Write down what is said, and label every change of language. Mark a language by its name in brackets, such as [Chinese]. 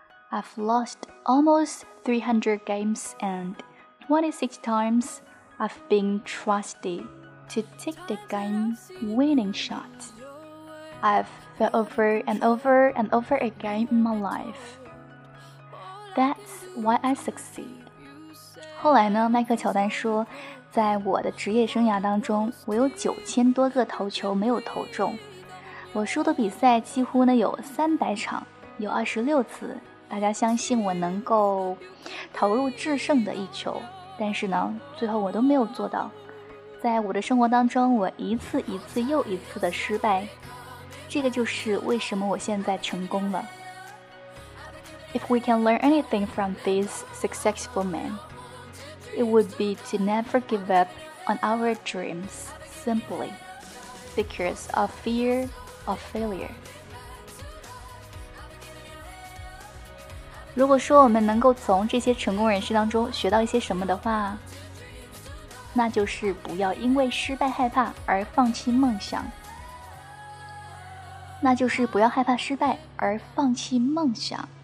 [English] I've lost almost 300 games and 26 times I've been trusted to take the game-winning shot. I've fell over and over and over again in my life. That's why I succeed. [Chinese] 后来呢，麦克乔丹说，在我的职业生涯当中，我有9000多个投球没有投中。我输的比赛几乎呢有300场，有26次，大家相信我能够投入制胜的一球，但是呢最后我都没有做到。在我的生活当中，我一次一次又一次的失败，这个就是为什么我现在成功了。 [English] If we can learn anything from these successful men, it would be to never give up on our dreams simply because of fear of failure. [Chinese] 如果说我们能够从这些成功人士当中学到一些什么的话，那就是不要因为失败害怕而放弃梦想。那就是不要害怕失败而放弃梦想。